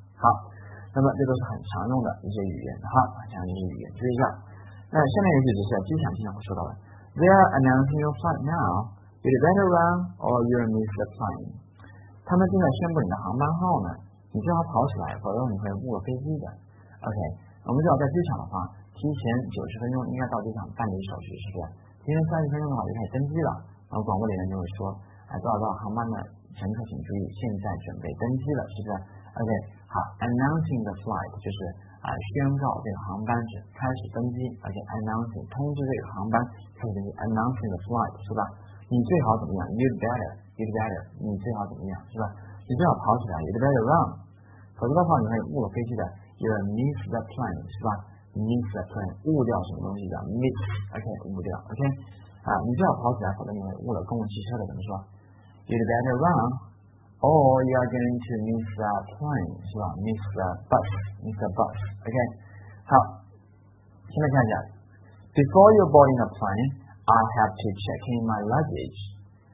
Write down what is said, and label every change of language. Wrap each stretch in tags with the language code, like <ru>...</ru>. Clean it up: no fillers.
<zh>好，那么这都是很常用的一些语言，哈，常用的语言，注意一下。那下面一个句子是机场经常会说到的 ，</zh> <en>They are announcing your flight now. You'd better run or you'll miss the plane.</en> <zh>他们正在宣布你的航班号呢，你最好跑起来，否则你会误了飞机的。 OK， 我们知道在机场的话，提前90分钟应该到机场办理手续，是不是？提前30分钟的话就开始登机了。然后广播里面就会说，多少航班的乘客请注意，现在准备登机了，是不是 ？OK， 好 ，</zh> <en>announcing the flight</en> <zh>就是宣告这个航班是开始登机 ，OK， announcing 通知这个航班开始登机 ，announcing the flight 是吧？你最好怎么样 ？</zh> <en>You'd better，</en> <zh>你最好怎么样是吧？你最好跑起来 ，</zh> <en>You'd better run，</en> <zh>否则的话你会误了飞机的 ，</zh> <en>You'll miss the plane</en> <zh>是吧 ？</zh> <en>Miss the plane，</en> <zh>误掉什么东西的 ，miss，OK， 误掉 ，OK。你最好跑起来，否则你误了公共汽车的。怎么说</zh> <en>？You'd better run, or you are going to miss the plane，</en> <zh>是吧</zh> <en>？Miss the bus。</en> <zh>OK， 好，现在看一下。</zh> <en>Before you board in the plane, I have to check in my luggage.</en>